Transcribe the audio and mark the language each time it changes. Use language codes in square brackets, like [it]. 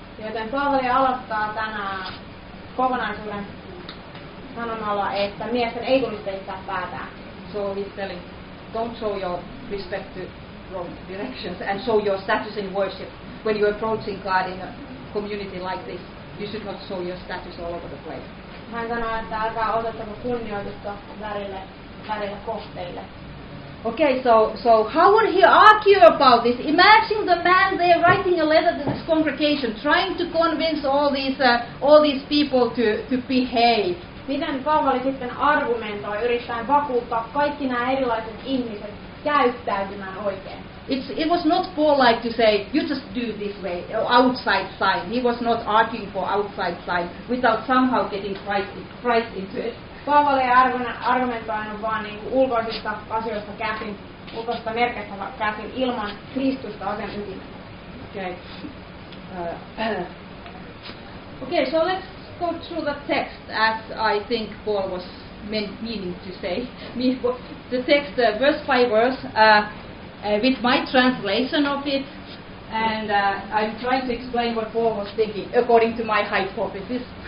[fi] Joten Paavali aloittaa tänä kokonaisuuden sanomalla, että miesten ei tulisi peittää päätään. [en] So he's telling, don't show your respect to wrong directions and show your status in worship. When you're approaching God in a community like this, you should not show your status all over the place. [fi] Hän sanoi, että älkää otettava kunnioitusta värille kohteille. [en] Okay, so how would he argue about this? Imagine the man there writing a letter to this congregation, trying to convince all these people to behave. [fi] Miten Paavali sitten argumentoi yrittäen vakuuttaa kaikki nämä erilaiset ihmiset käyttäytymään oikein? [en] It was not Paul-like to say, you just do this way, outside sign. He was not arguing for outside sign without somehow getting Christ into it. [fi] Paavali argumentoinut vaan niin ulkoisista asioista käsin, ulkoisista merkeistä käsin ilman Kristusta asian ytimellä. [en] Okay, so let's go through the text as I think Paul was meaning to say. The text verse by verse with my translation of it. And I'm trying to explain what Paul was thinking according to my hypothesis.